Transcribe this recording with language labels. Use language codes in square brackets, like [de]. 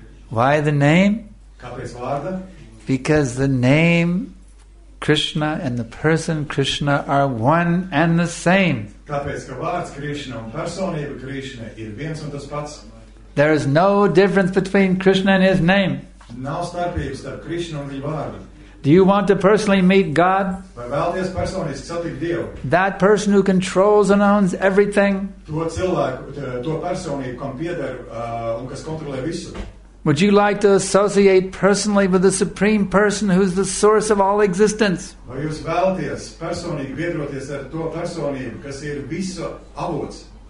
[en] Why the name? Because the name Krishna and the person Krishna are one and the same. There is no difference between Krishna and his name. [lv] Nav starpības starp Krishna un viņa vārdu. [en] Do you want to personally meet God? [lv] Vai vēlties personīgi satikt Dievu? [en] That person who controls and owns everything. [lv] To cilvēku, to personību, kam pieder un kas kontrolē visu. [en] Would you like to associate personally with the Supreme Person who is the source of all existence? [lv] Vai jūs vēlties personīgi viedroties ar to personību, kas ir visu avots?